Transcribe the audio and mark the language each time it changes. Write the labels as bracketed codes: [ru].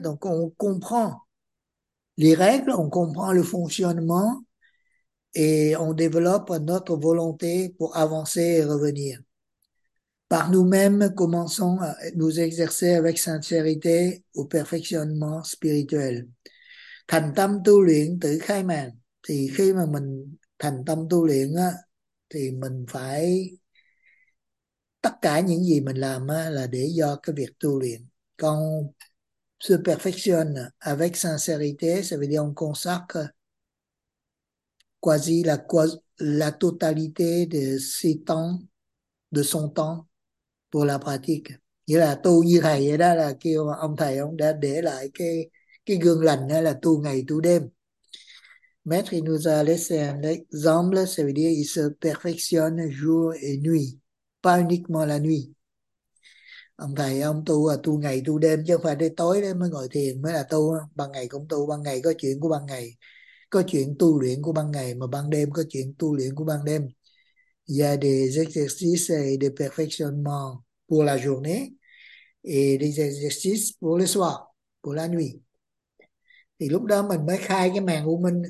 [fr] Donc, on comprend les règles, on comprend le fonctionnement et on développe notre volonté pour avancer et revenir. Par nous-mêmes, commençons à nous exercer avec sincérité au perfectionnement spirituel. [vi] Thành tâm tu luyện tự khai mạng. Thì khi mà mình thành tâm tu luyện á, thì mình phải tất cả những gì mình làm là để do cái việc tu luyện. [fr] Quand on se perfectionne avec sincérité, ça veut dire on consacre quasi la totalité de ses temps, de son temps pour la pratique. [vi] Nghĩa là tu như thầy vậy đó, là kêu ông thầy ông đã để lại cái gương lành đó, là tu ngày tu đêm. [fr] Maître, il nous a laissé un exemple, ça veut dire il se perfectionne jour et nuit. Pas uniquement la nuit. [vi] Ông thầy ông tu là tu ngày tu đêm, chứ không phải đi tối đấy mới ngồi thiền mới là tu. Ban ngày cũng tu, ban ngày có chuyện của ban ngày, có chuyện tu luyện của ban ngày, mà ban đêm có chuyện tu luyện của ban đêm. [fr] Il y a des exercices et des perfectionnements pour la journée et des exercices pour le soir, pour la nuit. [vi] Thì lúc đó mình mới khai cái màn u minh.